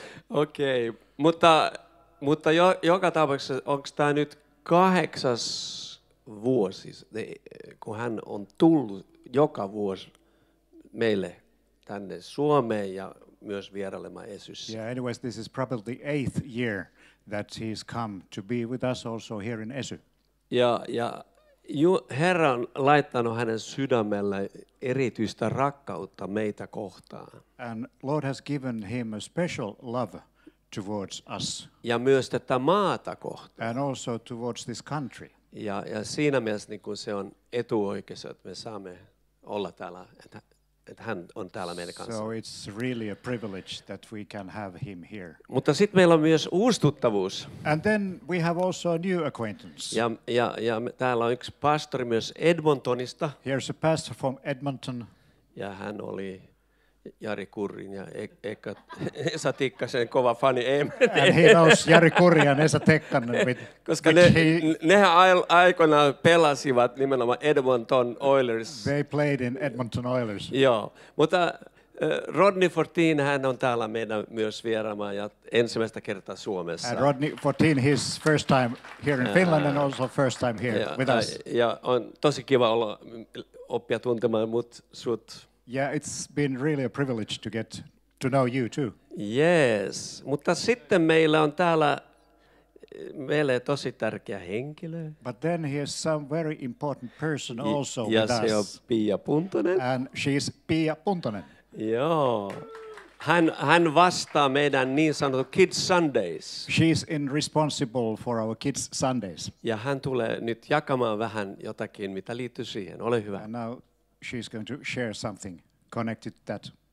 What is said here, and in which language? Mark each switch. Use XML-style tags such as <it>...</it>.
<fi>Okei, mutta joka tapauksessa, onko tämä nyt 8. vuosi, kun hän on tullut joka vuosi meille tänne Suomeen ja myös vierailemaan Esyssä.</fi> <en>Yeah, anyways, this is probably the 8th year that he's come to be with us also here in Esy.</en> <fi>Ja Herra on laittanut hänen sydämelle erityistä rakkautta meitä kohtaan.</fi> <en>And Lord has given him a special love towards us.</en> <fi>Ja myös tätä maata kohtaan.</fi> <en>And also towards this country.</en> <fi>Ja siinä mielessä niin kuin se on etuoikeus, että me saamme olla täällä että hän on täällä meidän kanssa.</fi> <en>So it's really a privilege that we can have him here.</en> <fi>Mutta sitten meillä on myös uusi tuttavuus.</fi> <en>And then we have also a new acquaintance.</en> <fi>Ja täällä on yksi pastori myös Edmontonista.</fi> <en>Here's a pastor from Edmonton.</en> <fi>Ja hän oli Jari Kurrin ja Esa Tikkasen kova fani.</fi> <en>And he knows Jari Kurrin ja Esa Tikkanen.</en> <fi>Koska nehän aikoinaan pelasivat nimenomaan Edmonton Oilers.</fi> <en>They played in Edmonton Oilers.</en> <fi>Joo, mutta Rodney Fortin, hän on täällä meidän myös vieraamaan ja ensimmäistä kertaa Suomessa.</fi> <en>And Rodney Fortin, his first time here in Finland and also first time here with us.</en> <fi>Ja on tosi kiva olla oppia tuntemaan mut sut.</fi> <en>Yeah, it's been really a privilege to get to know you too.</en> <fi>Yes, mutta sitten meillä on täällä meille tosi tärkeä henkilö.</fi> <en>But then he is some very important person also</en> <fi>ja</fi> <en>with us.</en> <fi>Ja se on Pia Puntonen.</fi> <en>And she's Pia Puntonen.</en> <fi>Joo. Hän vastaa meidän niin sanotut Kids Sundays.</fi> <en>She's in responsible for our Kids Sundays.</en> <fi>Ja hän tulee nyt jakamaan vähän jotakin, mitä liittyy siihen. Ole hyvä.</fi> <en>And now she's going to share something connected to that.</en>